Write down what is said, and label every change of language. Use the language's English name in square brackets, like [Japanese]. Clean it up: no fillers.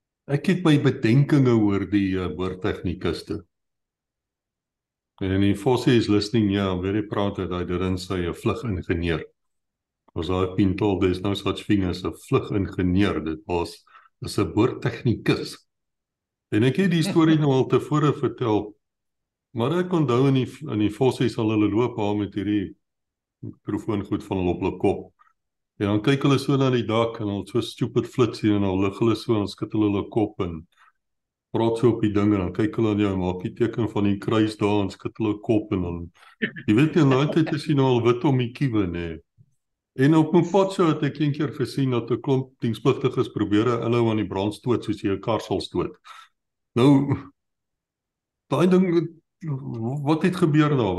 [Afrikaans] Ek het my bedenkinge oor die boortechnikuste. [English] And if Fossie is listening, yeah, I'm very proud that I didn't say a vlug ingenieur. Because I've been told there's no such thing as a vlug ingenieur. [Afrikaans] Dit was, is a boortechnikus. En ek het die story nou al tevore vertel. Maar ek onthou in die Fossie sal hulle loop haal met hierdie mikrofoon goed van hulle op hulle kop. En dan kyk hulle so na die dak en hulle so stupid flits hier en dan lig hulle so en skud hulle kop en praat so op die ding en dan kyk hulle aan jou en maak die teken van die kruis daar en skud hulle kop en dan, jy weet nie, in die tijd is hier nou al wit om die kiewe, nee. En op my pad so het ek een keer gesien dat 'n klomp dienspligtiges probeer hulle aan die brand stoot soos jy 'n kar sal stoot. Nou, daai ding, wat het gebeur daar?